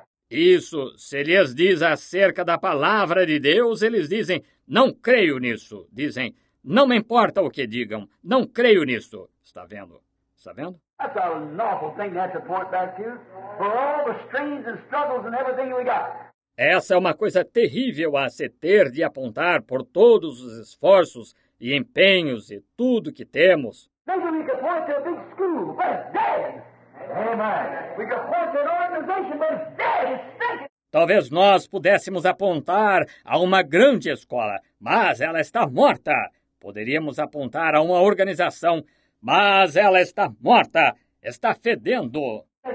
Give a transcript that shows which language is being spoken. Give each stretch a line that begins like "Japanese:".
Portuguese: Isso, se lhes diz acerca da palavra de Deus, eles dizem, não creio nisso. Dizem, não me importa o que digam, não creio nisso. Está vendo? Está vendo?
English: That's an awful thing to have to point back to. For all the strains and struggles and everything we got.
Portuguese: Essa é uma coisa terrível a se ter de apontar por todos os esforços e empenhos e tudo que temos.
English: Maybe we could point to a big school, but it's dead. Amen. We could point to an organization, but it's dead. It's stinking.
Portuguese: Talvez nós pudéssemos apontar a uma grande escola, mas ela está morta. Poderíamos apontar a uma organização, mas ela está morta. Está fedendo.